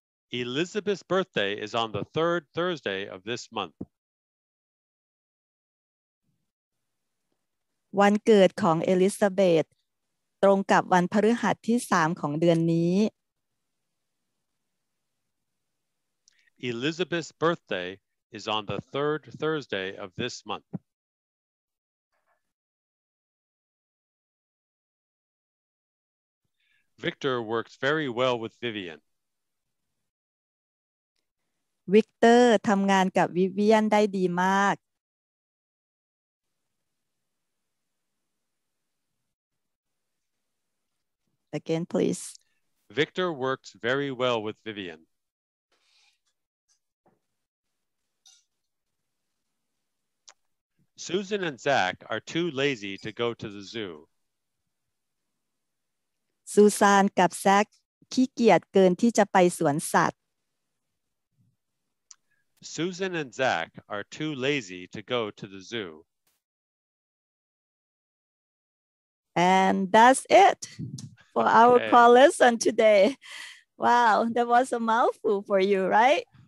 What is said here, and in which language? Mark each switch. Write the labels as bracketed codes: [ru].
[en] Elizabeth's birthday is on the third Thursday of this month. [th] วันเกิดของเอลิซาเบธตรงกับวันพฤหัสที่3ของเดือนนี้ [en] Elizabeth's birthday is on the third Thursday of this month. Victor works very well with Vivian. [th] วิกเตอร์ทำงานกับวิเวียนได้ดีมาก [en] Again, please. Victor works very well with Vivian. Susan and Zach are too lazy to go to the zoo. [th] ซูซานกับแซคขี้เกียจเกินที่จะไปสวนสัตว์ [en] Susan and Zach are too lazy to go to the zoo. And that's it for okay. our call lesson today. Wow, that was a mouthful for you, right?